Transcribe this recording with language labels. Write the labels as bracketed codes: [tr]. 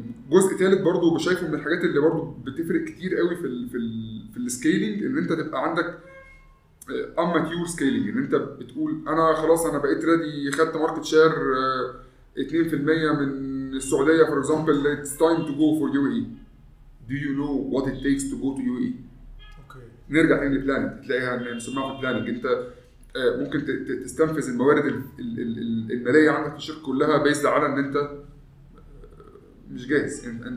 [ar] جزء ثالث برضو بشايفه من الحاجات اللي برضو بتفرق كتير قوي في السكيلينج، ان انت تبقى عندك اماتيور سكيلينج، ان انت بتقول انا خلاص انا بقيت رادي، خدت ماركت شير 2% من السعوديه [en] For example, it's time to go for U A E. Do you know what it takes to go to UAE؟ Okay. [ar] نرجع تاني للبلاننج، تلاقيها مسمعة في البلاننج. انت ممكن تستنفذ الموارد المالية عندك في الشركة كلها بيزد على ان انت مش جاهز.